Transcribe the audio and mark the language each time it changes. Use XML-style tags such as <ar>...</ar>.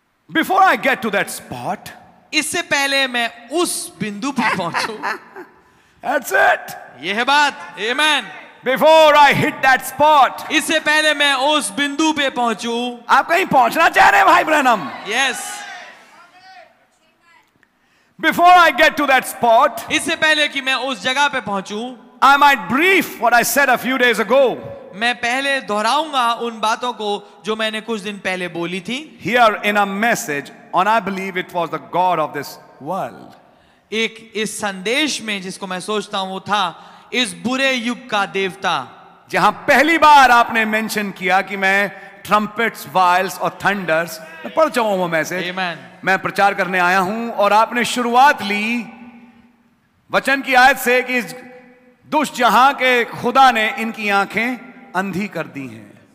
<en>Before I get to that spot,</en> <hi>इससे पहले मैं उस बिंदु पर पहुंचूं।</hi> <en>That's it.</en> <hi>यह है बात। Amen.</hi> <en>Before I hit that spot,</en> <hi>इससे पहले मैं उस बिंदु पे पहुंचूं। आप कहीं पहुंचना चाह रहे हैं भाई Branham?</hi> <en>Yes. Before I get to that spot,</en> <hi>इससे पहले कि मैं उस जगह पे पहुंचूं,</hi> <en>I might brief what I said a few days ago.</en> <hi>मैं पहले दोहराऊंगा उन बातों को जो मैंने कुछ दिन पहले बोली थी.</hi> <en>Here in a message, and I believe it was the God of this world.</en> <hi>एक इस संदेश में जिसको मैं सोचता हूं वो था इस बुरे युग का देवता. जहां पहली बार आपने मेंशन किया कि मैं ट्रम्पेट्स, वायल्स और थंडर्स, मैं पढ़ चाहूं वो मैसेज,</hi> <en>Amen.</en> <hi>मैं प्रचार करने आया हूं, और आपने शुरुआत ली वचन की आयत से कि दुष्ट जहां के खुदा ने इनकी आंखें अंधी कर दी हैं।</hi>